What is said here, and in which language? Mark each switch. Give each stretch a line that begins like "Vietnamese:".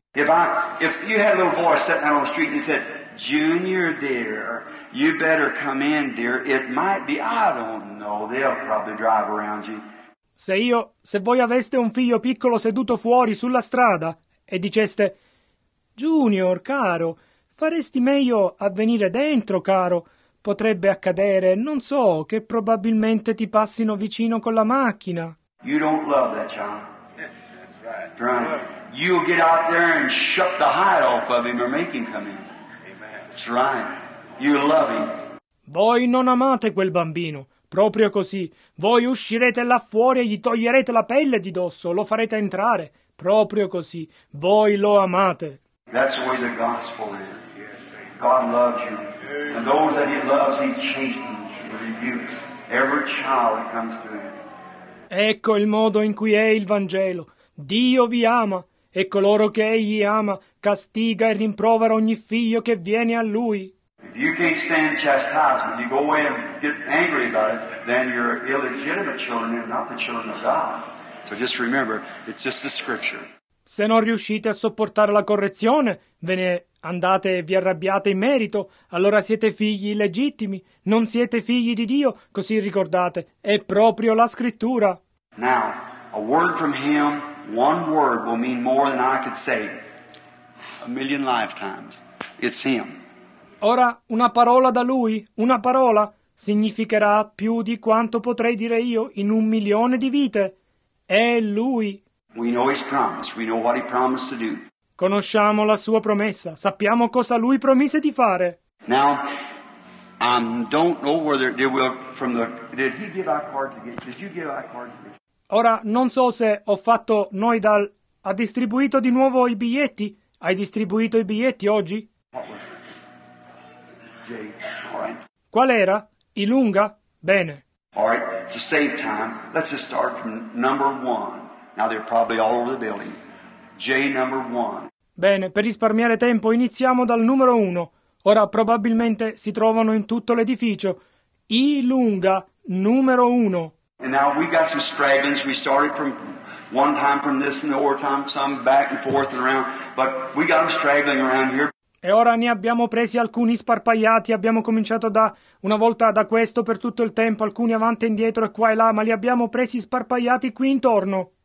English: If you had a little boy sitting out on the street and he said, Junior, dear, you better come in, dear, it might be, I don't know, they'll probably drive around you.
Italian: Se voi aveste un figlio piccolo seduto fuori sulla strada e diceste, Junior, caro, faresti meglio a venire dentro, caro. Potrebbe accadere, non so, che probabilmente ti passino vicino con la macchina.
English: You don't love that child. That's right. You'll get out there and shut the hide off of him or make him come in. Amen. That's right. You love him.
Italian: Voi non amate quel bambino. Proprio così. Voi uscirete là fuori e gli toglierete la pelle di dosso. Lo farete entrare. Proprio così. Voi lo amate.
English: That's the way the gospel is. God loves you. And those that he loves, he chastens and rebukes. Every child that comes to him.
Italian: Ecco il modo in cui è il Vangelo. Dio vi ama, e coloro che egli ama castiga e rimprovera ogni figlio che viene a lui.
English: If you can't stand chastisement, you go away and get angry about it, then you're illegitimate children and not the children of God. So just remember, it's just the scripture.
Italian: Se non riuscite a sopportare la correzione, ve ne andate e vi arrabbiate in merito, allora siete figli illegittimi, non siete figli di Dio, così ricordate, è proprio la scrittura.
English: Now, a word from him, one word will mean more than I could say a million lifetimes. It's him.
Italian: Ora, una parola da lui, una parola, significherà più di quanto potrei dire io in un milione di vite. È lui.
English: We know his promise. We know what he promised to do.
Italian: Conosciamo la sua promessa. Sappiamo cosa lui promise di fare.
English: Now, I don't know whether they will from the. Did he give our card to get? Did you give our card to get?
Italian: Ora non so se ho fatto noi dal. Ha distribuito di nuovo i biglietti? Hai distribuito i biglietti oggi?
English: Right.
Italian: Qual era? Ilunga? Bene.
English: All right. To save time, let's just start from number one. Now they're probably all over the building. J number one.
Italian: Bene, per risparmiare tempo iniziamo dal numero uno. Ora probabilmente si trovano in tutto l'edificio. I lunga numero uno.
English: And now we got some stragglers. We started from one time from this and the other time some back and forth and around, but we got them straggling around here.
Italian: E ora ne abbiamo presi alcuni sparpagliati, abbiamo cominciato da una volta da questo per tutto il tempo, alcuni avanti e indietro e qua e là, ma li abbiamo presi sparpagliati qui intorno.